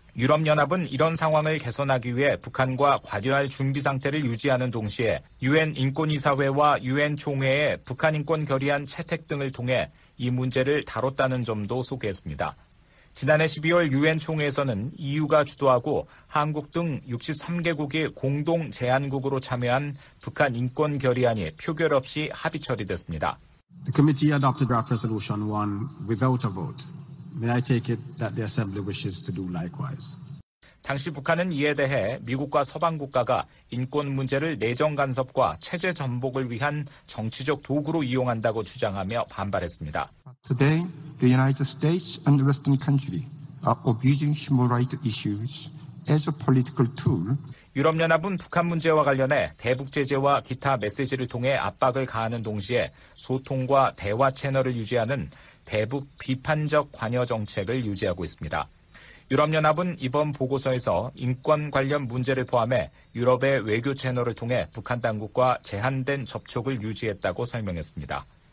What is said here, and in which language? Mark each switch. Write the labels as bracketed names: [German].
[Korean] 유럽연합은 이런 상황을 개선하기 위해 북한과 과려할 준비 상태를 유지하는 동시에 유엔 인권이사회와 유엔 총회에 북한 인권 결의안 채택 등을 통해 이 문제를 다뤘다는 점도 소개했습니다. 지난해 12월 유엔 총회에서는 EU가 주도하고 한국 등 63개국이 공동 제안국으로 참여한 북한 인권 결의안이 표결 없이 합의 처리됐습니다. [English] The committee adopted draft resolution 1 without a vote. May I take it that the assembly wishes to do likewise? [Korean] 당시 북한은 이에 대해 미국과 서방 국가가 인권 문제를 내정 간섭과 체제 전복을 위한 정치적 도구로 이용한다고 주장하며 반발했습니다. [English] Today, the United States and the Western countries are abusing human rights issues as a political tool. [Korean] 유럽연합은 북한 문제와 관련해 대북 제재와 기타 메시지를 통해 압박을 가하는 동시에 소통과 대화 채널을 유지하는 대북 비판적 관여 정책을 유지하고 있습니다. 유럽연합은 이번 보고서에서 인권 관련 문제를 포함해 유럽의 외교 채널을 통해 북한 당국과 제한된 접촉을 유지했다고 설명했습니다.